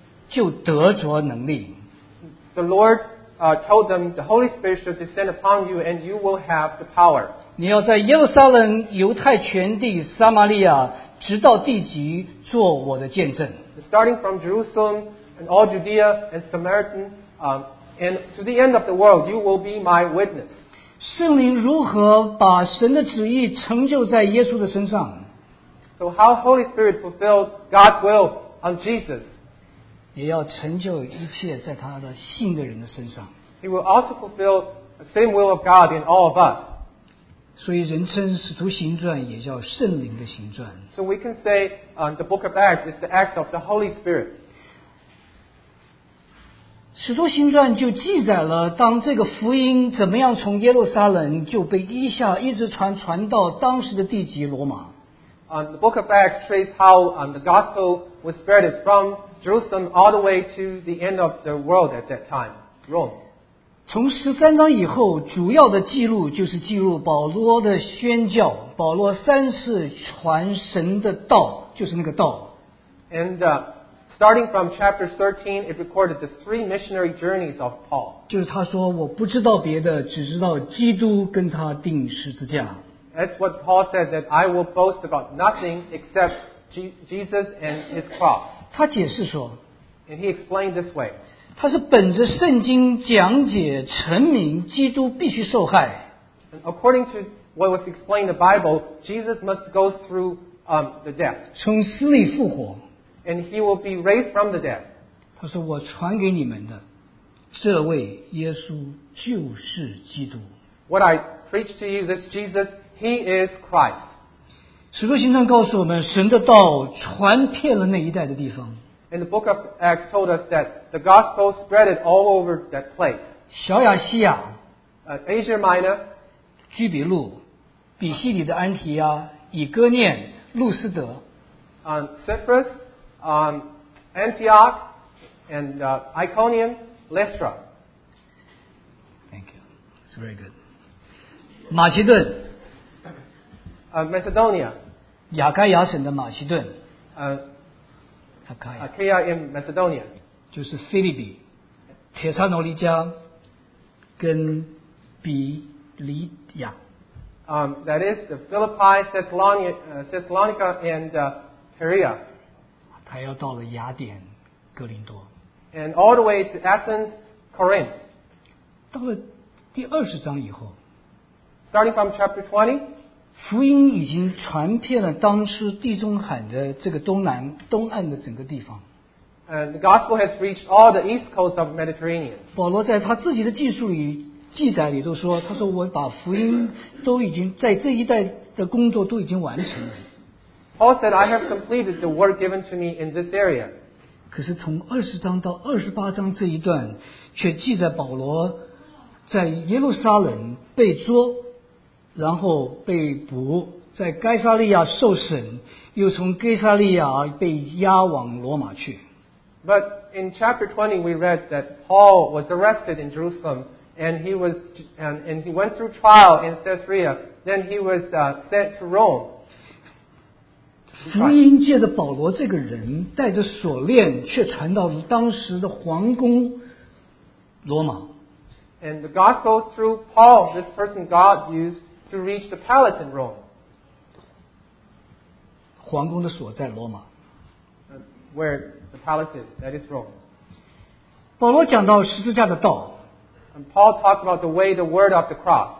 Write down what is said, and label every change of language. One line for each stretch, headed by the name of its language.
Chinese: 因为主吩咐他应许他们说也告诉他们说圣灵降在你们身上你们就得着能力。
English: The Lord told them the Holy Spirit shall descend upon you and you will have the power.
Chinese: 你要在耶路撒冷、犹太全地、撒玛利亚直到地极做我的见证。
English: Starting from Jerusalem and all Judea and Samaritan, and to the end of the world, you will be my witness.
Chinese: 圣灵如何把神的旨意成就在耶稣的身上?
English: So how Holy Spirit fulfilled God's will on Jesus?
Chinese: 也要成就一切在他的信的人的身上。
English: He will also fulfill the same will of God in all of us.
Chinese: 所以人称使徒行传也叫圣灵的行传。
English: So we can say the book of Acts is the Acts of the Holy Spirit.
Chinese: 使徒行传就记载了当这个福音怎么样从耶路撒冷就被一下一直传到当时的地级罗马。
English: The book of Acts traced how the gospel was spread from Jerusalem all the way to the end of the world at that time, Rome.
Chinese: 从13章以后主要的记录就是记录保罗的宣教保罗三次传神的道就是那个道
English: And starting from chapter 13 it recorded the three missionary journeys of Paul
Chinese: 就是他说我不知道别的只知道基督跟他钉十字架
English: That's what Paul said that I will boast about nothing except Jesus and his cross
Chinese: 他解释说
English: And he explained this way
Chinese: 他是本着圣经讲解成名基督必须受害
English: According to what was explained in the Bible Jesus must go through the death
Chinese: 从死里复活
English: And he will be raised from the dead
Chinese: 他说我传给你们的这位耶稣就是基督
English: What I preach to you this Jesus he is Christ
Chinese: 使徒行传告诉我们神的道传遍了那一带的地方
English: And the book of Acts told us that the gospel spread it all over that place.
Chinese: 小亚细亚
English: Asia Minor,
Chinese: 居比路比西里的安提亚以哥念路斯德
English: Cyprus, Antioch, and Iconium, Lystra. Thank you. It's very good. 马其顿 Macedonia.
Chinese: 亚该亚省的马其顿
English: Achaia in Macedonia
Chinese: 就是腓立比铁撒罗尼迦跟比利亚
English: That is the Philippi, Thessalonica and Perea
Chinese: 他要到了雅典哥林多
English: And all the way to Athens, Corinth
Chinese: 到了第二十章以后
English: Starting from chapter 20
Chinese: 福音已经传遍了当时地中海的这个东岸的整个地方。
English: The gospel has reached all the east coast of Mediterranean.
Chinese: 保罗在他自己的记述里记载里都说，他说我把福音都已经在这一带的工作都已经完成了。
English: Paul said, "I have completed the work given to me in this area."
Chinese: 可是从二十章到二十八章这一段，却记载保罗在耶路撒冷被捉。然后被捕在该撒利亚受审又从该撒利亚被押往罗马去
English: But in chapter 20 we read that Paul was arrested in Jerusalem and he went through trial in Caesarea then he was sent to Rome
Chinese: 福音借着保罗这个人带着锁链却传到当时的皇宫罗马
English: And the gospel through Paul this person God used to reach the palace in Rome.
Chinese: 皇宫的所在罗马。
English: Where the palace is, that is Rome.
Chinese: 保罗讲到十字架的道。
English: And Paul talked about the way, the word of the cross.